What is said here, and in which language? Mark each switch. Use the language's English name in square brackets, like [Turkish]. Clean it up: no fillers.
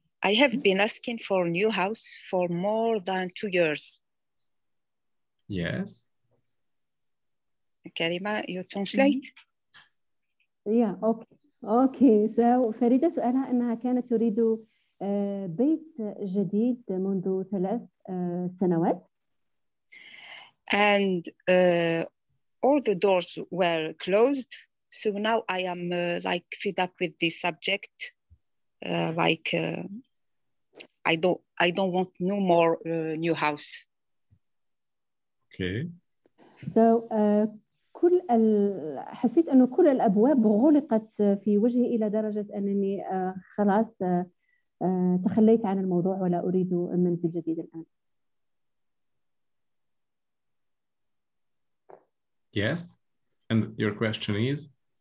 [English] I have been asking for a new house for more than 2 years. Yes. كريمة, you translate. Yeah, okay. [Arabic] So فريدة سؤالها أنها كانت تريد بيت جديد منذ 3 سنوات. [English] And all the doors were closed. So now I am like fed up with this subject. I don't want no more new house. Okay. [Arabic] So كل حسيت أنه كل الأبواب غلقت في وجهي إلى درجة أنني خلاص تخليت عن الموضوع ولا أريد منزل جديد الآن. [English] Yes, and your question is.